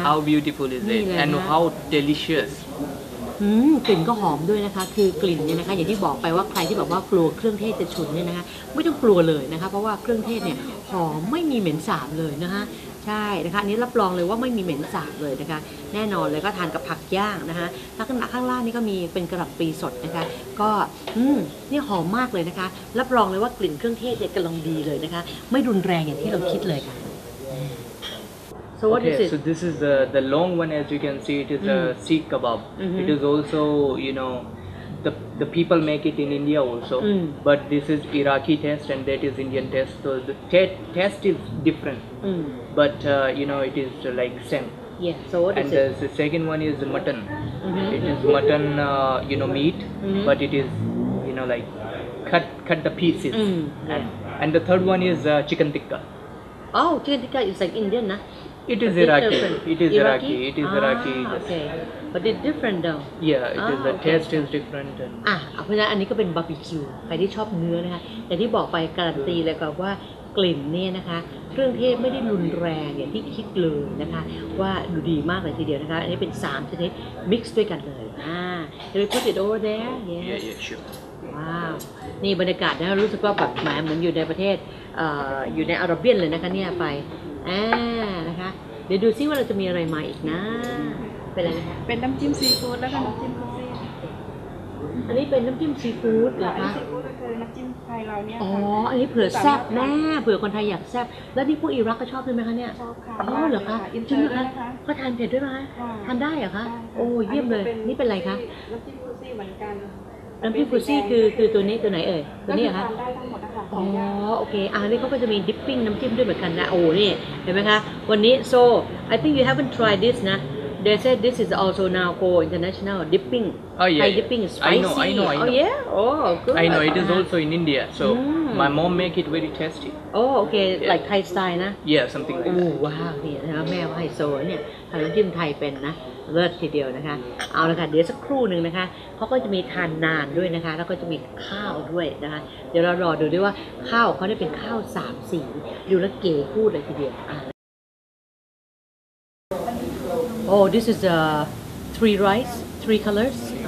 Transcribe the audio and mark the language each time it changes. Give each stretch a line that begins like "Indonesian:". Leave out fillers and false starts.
English: How beautiful is it and how delicious
Thai: กลิ่นก็หอมด้วยนะคะคือกลิ่นเนี่ยนะคะอย่างที่บอกไปว่าใครที่แบบว่ากลัวเครื่องเทศจะฉุนเนี่ยนะคะไม่ต้องกลัวเลยนะคะเพราะว่าเครื่องเทศเนี่ยหอมไม่มีเหม็นสาบเลยนะคะใช่นะคะอันนี้รับรองเลยว่าไม่มีเหม็นสาบเลยนะคะแน่นอนเลยก็ทานกับผักย่างนะคะแล้วข้างล่างนี่ก็มีเป็นกระหล่ำปลีสดนะคะก็นี่หอมมากเลยนะคะรับรองเลยว่ากลิ่นเครื่องเทศเนี่ยกำลังดีเลยนะคะไม่รุนแรงอย่างที่เราคิดเลยค่ะ
English: So what okay, is it? So this is the long one, as you can see, it is a Sikh kebab. Mm-hmm. It is also, you know, the people make it in India also. Mm. But this is Iraqi taste and that is Indian taste. So the taste is different. Mm. But, you know, it is like same. Yeah, so what and is it? And the second one is mutton. Mm-hmm. It is mutton, you know, meat. Mm-hmm. But it is, you know, like cut the pieces. Mm. Yeah. And the third one is chicken tikka. Oh, chicken tikka is like Indian, na? It is Iraqi. It is Iraqi. Okay. But it's different though. Yeah, the taste is different.
Thai: เพราะฉะนั้นอันนี้ก็เป็นบาร์บีคิวใครที่ชอบเนื้อนะคะอย่างที่บอกไปการันตีเลยก็ว่ากลิ่นเนี่ยนะคะเครื่องเทศไม่ได้รุนแรงอย่างที่คิดเลยนะคะว่าดูดีมากเลยทีเดียวนะคะอันนี้เป็น3ชนิด mix ด้วยกันเลยจะไป
English: put it over there yes yeah sure
Thai: ว้าวนี่บรรยากาศนะรู้สึกว่าแบบเหมือนอยู่ในประเทศอยู่ในอาหรับเบียนเลยนะคะเนี่ยไปนะคะเดี๋ยวดูซิว่าเราจะมีอะไรมาอีกนะเป็นอะไรคะ เป็นน้ำจิ้มซีฟู้ดแล้วก็น้ำจิ้มคุกกี้อันนี้เป็นน้ำจิ้มซีฟู้ดเหรอคะ ซี ฟู้ดก็คือน้ำจิ้มไทยเราเนี่ย อ๋ออันนี้เผื่อแซ่บแน่เผื่อคนไทยอยากแซ่บแล้วนี่พวกอิรักก็ชอบใช่ไหมคะเนี่ย ชอบค่ะ อ๋อเหรอคะ จริง เหรอคะก็ทานเผ็ดด้วยไหมทานได้เหรอคะโอ้เยี่ยมเลยนี่เป็นอะไรคะ น้ำจิ้มคุกกี้เหมือนกัน น้ำพริกคุชี่คือตัวนี้ตัวไหนเอ่ยตัวนี้เหรอคะ ทานได้ทั้งหมดนะคะ อ๋อโอเคอันนี้เขาก็จะมีดิปปิ้งน้ำจิ้มด้วยเหมือนกันนะโอ้นี่เห็นไหมคะวันนี้
English: so I think you haven't tried this
Thai: นะ
English: they said this is also now go international dipping oh yeah Thai dipping spicy I know. Oh yeah oh good I know it is also in India so my mom make it very tasty oh okay yeah. like Thai style นะ yeah something like
Thai: that ว้าวนี่นะแม่ว่าไฮโซเนี่ยทานน้ำจิ้มไทยเป็นนะเลิศทีเดียวนะคะเอาละค่ะเดี๋ยวสักครู่หนึ่งนะคะเขาก็จะมีทานนานด้วยนะคะแล้วก็จะมีข้าวด้วยนะคะเดี๋ยวเรารอดูด้วยว่าข้าวเขาได้เป็นข้าวสามสีดูแล้วเก๋พูดเลยทีเดียว
English: Oh, this is three rice, three colors.